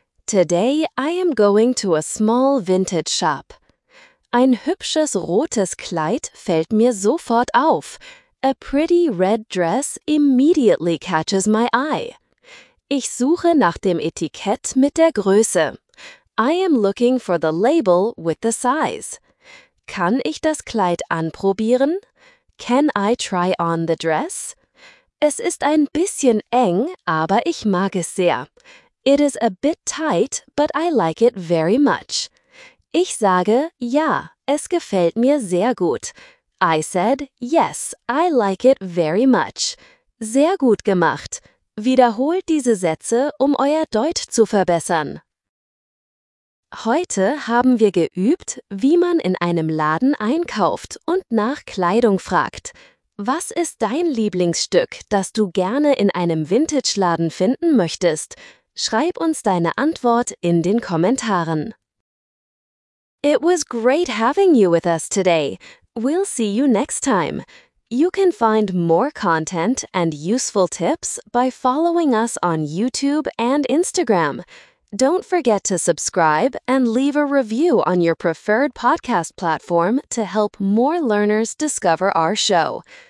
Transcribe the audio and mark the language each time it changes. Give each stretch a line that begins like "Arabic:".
English: Today I am going to a small vintage shop.
German: Ein hübsches rotes Kleid fällt mir sofort auf.
English: A pretty red dress immediately catches my eye.
German: Ich suche nach dem Etikett mit der Größe.
English: I am looking for the label with the size.
German: Kann ich das Kleid anprobieren?
English: Can I try on the dress?
German: Es ist ein bisschen eng, aber ich mag es sehr.
English: It is a bit tight, but I like it very much.
German: Ich sage, ja, es gefällt mir sehr gut.
English: I said, yes, I like it very much.
German: Sehr gut gemacht. Wiederholt diese Sätze, um euer Deutsch zu verbessern. Heute haben wir geübt, wie man in einem Laden einkauft und nach Kleidung fragt. Was ist dein Lieblingsstück, das du gerne in einem Vintage-Laden finden möchtest? Schreib uns deine Antwort in den Kommentaren.
English: It was great having you with us today. We'll see you next time. You can find more content and useful tips by following us on YouTube and Instagram. Don't forget to subscribe and leave a review on your preferred podcast platform to help more learners discover our show.